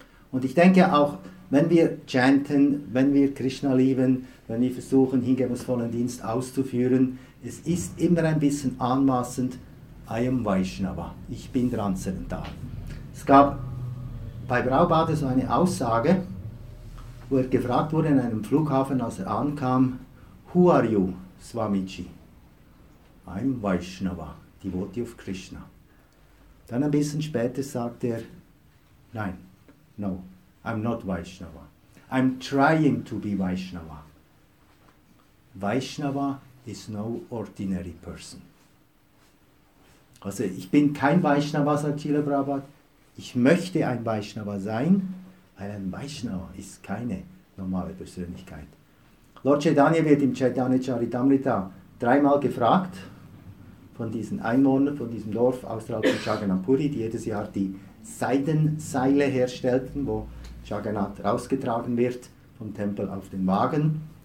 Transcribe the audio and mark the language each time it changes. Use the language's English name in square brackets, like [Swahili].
[German] Und ich denke auch, wenn wir chanten, wenn wir Krishna lieben, wenn wir versuchen, hingebungsvollen Dienst auszuführen, es ist immer ein bisschen anmaßend, [English] I am Vaishnava, [German] ich bin transzendental. Es gab bei Prabhupada so eine Aussage, wo er gefragt wurde in einem Flughafen, als er ankam, [English] Who are you, Swamiji? I am Vaishnava, Devotee of Krishna. [German] Dann ein bisschen später sagt er, nein, [English] no, I'm not Vaishnava. I'm trying to be Vaishnava. Vaishnava is no ordinary person. [German] Also ich bin kein Vaishnava, sagt Srila Prabhupada. Ich möchte ein Vaishnava sein, weil ein Vaishnava ist keine normale Persönlichkeit. Lord Chaitanya wird im Chaitanya Charitamrita dreimal gefragt, von diesen Einwohnern von diesem Dorf außerhalb von Jagannathpuri, die jedes Jahr die Seidenseile herstellten, wo Jagannath rausgetragen wird vom Tempel auf den Wagen.